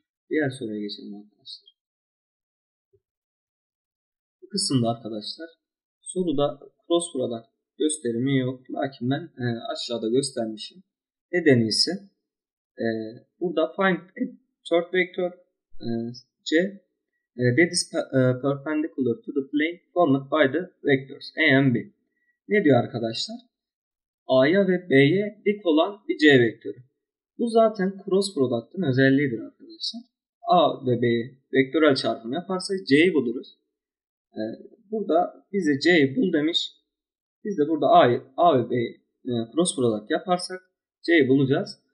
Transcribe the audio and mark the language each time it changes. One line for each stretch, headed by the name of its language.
Turkish: Diğer soruya geçelim arkadaşlar. Bu kısımda arkadaşlar soruda cross product gösterimi yok. Lakin ben aşağıda göstermişim. Nedeni ise burada
English: find third vector c that is perpendicular to the plane formed by the vectors a and b.
Turkish: Ne diyor arkadaşlar? A'ya ve b'ye dik olan bir c vektörü. Bu zaten cross product'ın özelliğidir arkadaşlar. A ve b'ye vektörel çarpım yaparsa c'yi buluruz. Burada bize c'yi bul demiş. Biz de burada A ve B cross product yaparsak C'yi bulacağız.